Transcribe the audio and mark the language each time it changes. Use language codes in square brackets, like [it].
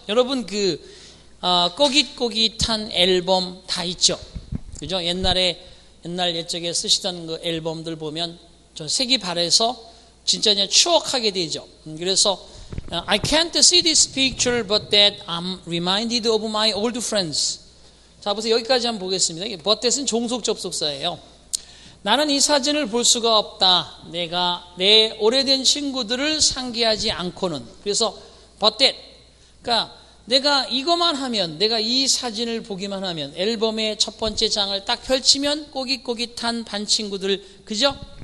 [ko] 여러분 그 꼬깃꼬깃한 앨범 다 있죠, 그죠? 옛날 옛적에 쓰시던 그 앨범들 보면 저 색이 바래서 진짜 그냥 추억하게 되죠. 그래서 [en] I can't see this picture, but that I'm reminded of my old friends. [ko] 자, 보세요. 여기까지 한번 보겠습니다. But that은 종속 접속사예요. 나는 이 사진을 볼 수가 없다. 내가 내 오래된 친구들을 상기하지 않고는. 그래서 but that. 그러니까 내가 이것만 하면, 내가 이 사진을 보기만 하면, 앨범의 첫 번째 장을 딱 펼치면 꼬깃꼬깃한 반 친구들, 그죠?